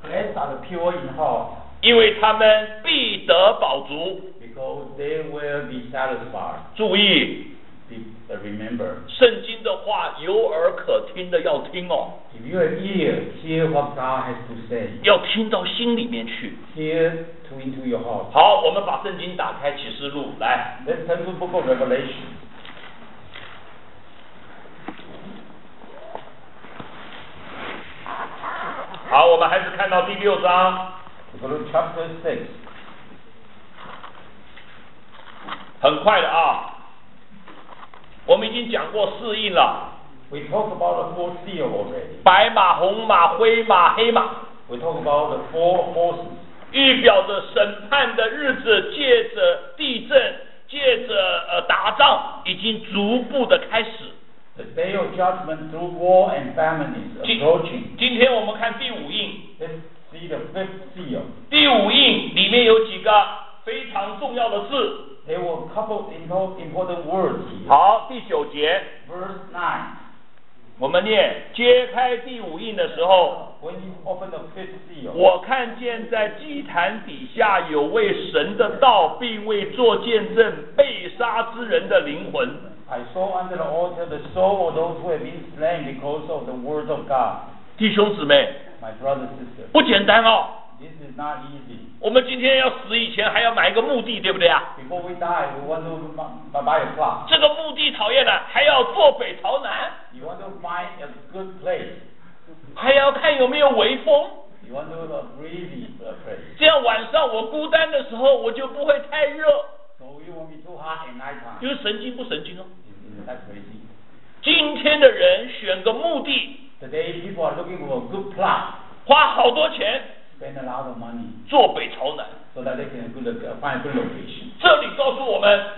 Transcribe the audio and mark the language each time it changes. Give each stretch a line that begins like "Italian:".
English: Blessed are the pure in heart.
Chinese: 因为他们必得饱足。
English: Because they will be satisfied.
Chinese: 注意。
English: Remember,
Chinese: 圣经的话有耳可听的要听哦。
English: If you have ears, hear what God has to say.
Chinese: 要听到心里面去。
English: Hear to into your heart.
Chinese: 好，我们把圣经打开启示录来。
English: Let's turn to Book of Revelation.
Chinese: 好，我们还是看到第六章。
English: Go to Chapter 6.
Chinese: 很快的啊。我们已经讲过四印了。
English: We talk about the four seal already.
Chinese: 白马、红马、灰马、黑马。
English: We talk about the four horses.
Chinese: 预表着审判的日子，借着地震，借着打仗，已经逐步的开始。
English: The day of judgment through war and famine is approaching.
Chinese: 今天我们看第五印。
English: Let's see the fifth seal.
Chinese: 第五印里面有几个非常重要的字。
English: There were a couple of important words here.
Chinese: 好，第九节。
English: Verse 9.
Chinese: 我们念，揭开第五印的时候，
English: When you open the fifth seal,
Chinese: 我看见在祭坛底下有为神的道并为做见证被杀之人的灵魂。
English: I saw under the altar the soul of those who have been slain because of the word of God.
Chinese: 弟兄姊妹，
English: My brother and sister,
Chinese: 不简单哦。
English: This is not easy.
Chinese: 我们今天要死以前还要买一个墓地，对不对啊？
English: Before we die, we want to buy a plot.
Chinese: 这个墓地讨厌了，还要坐北朝南。
English: You want to find a good place.
Chinese: 还要看有没有微风。
English: You want to have a breezy place.
Chinese: 这样晚上我孤单的时候，我就不会太热。
English: So you won't be too hot at night time.
Chinese: 就是神经不神经哦。
English: That's crazy.
Chinese: 今天的人选个墓地。
English: Today people are looking for a good plot.
Chinese: 花好多钱。
English: Spend a lot of money.
Chinese: 坐北朝南。
English: So that they can find a good location.
Chinese: 这里告诉我们。